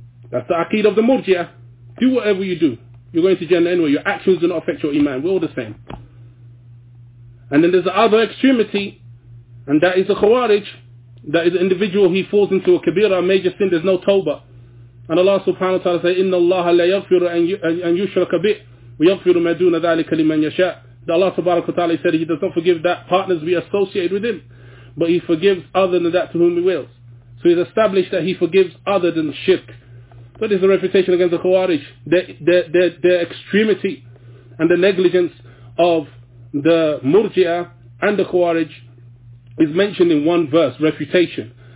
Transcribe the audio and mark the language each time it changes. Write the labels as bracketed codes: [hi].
[en] That's the aqeed of the Murji'ah. Do whatever you do. You're going to Jannah anyway. Your actions do not affect your iman. We're all the same. And then there's the other extremity, and that is the Khawarij. That is an individual, he falls into a kabira, a major sin, there's no tawbah. And Allah subhanahu wa ta'ala say, [ar] إِنَّ اللَّهَ لَيَغْفِرُ أَنْ يُشْرَكَ بِهِ وَيَغْفِرُ مَا دُونَ ذَلِكَ لِمَنْ يَشَاءُ. [en] That Allah subhanahu wa ta'ala said, he does not forgive that partners we associate with him, but he forgives other than that to whom he wills. So he's established that he forgives other than shirk. So this is a refutation against the Khawarij, their extremity and the negligence of the Murji'ah and the Khawarij is mentioned in one verse, refutation.